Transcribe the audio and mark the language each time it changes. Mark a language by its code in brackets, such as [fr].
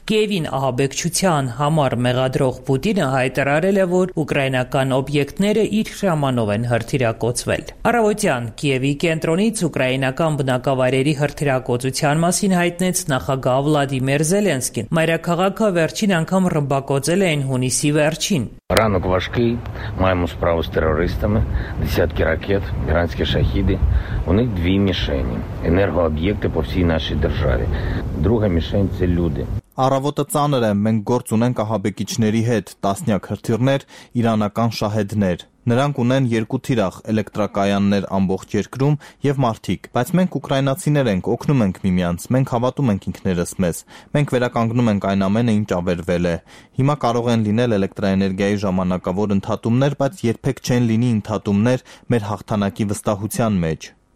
[hy] Կիևին ահաբեկչության համար մեղադրող Պուտինը հայտարարել է, որ ուկրաինական օբյեկտները իր ժամանով են հրթիրակոծվել։ Առավոտյան Կիևի կենտրոնից ուկրաինական բնակավայր վարերի հրթիրակոծության մասին հայտնեց նախագահ Վլադիմիր Զելենսկին։ Մայրաքաղաքը վերջին անգամ ռմբակոծել էին հունիսի վերջին։ [uk] Ранок важкий, маємо справу з терористами, десятки ракет, іранські шахіди. У них дві мішені – енергооб'єкти по всій нашій державі. Друга мішень – це люди. [hy] Առավոտը ծանր է, մենք գործ ունենք ահաբեկիչների հետ, տասնյակ հրթիռներ, իրանական շահեդներ։ Նրանք ունեն երկու թիրախ, էլեկտրակայաններ ամբողջ երկրում և մարդիկ, բայց մենք ուկրաինացիներ ենք, օգնում ենք միմյանց, մենք հավատում ենք ինքներս մեզ, մենք վերականգնում ենք այն ամենը, ինչ ավերվել է։ Հիմա կարող են լինել էլեկտրաէներգիայի ժամանակավոր ընդհատումներ, բայց երբեք չեն լինի ընդհատումներ մեր հաղթանակի վստահության մեջ։